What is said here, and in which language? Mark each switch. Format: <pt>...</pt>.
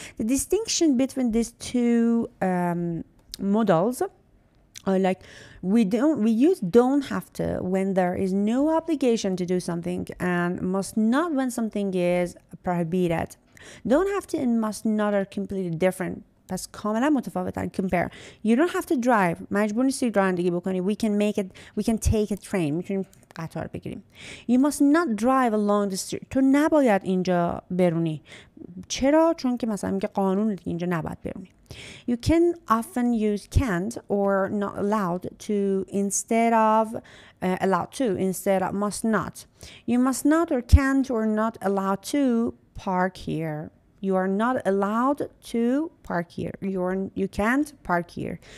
<en>The distinction between these two models, like we use don't have to when there is no obligation to do something, and must not when something is prohibited. Don't have to and must not are completely different.</en> <fa>پس کاملا متفاوتن.</fa> <en>Compare. You don't have to drive.</en> <fa>مجبور نیستی رانندگی بکنی. We can take a train. میتونیم قطار بگیریم. You must not drive along the street. تو نباید اینجا برونی. چرا؟ چون که مثلا میگه قانون دیگه اینجا نباید برونی.</fa> <en>You can often use can't or not allowed to instead of allowed to instead of must not. You must not or can't or not allowed to park here. You are not allowed to park here. You can't park here.</en>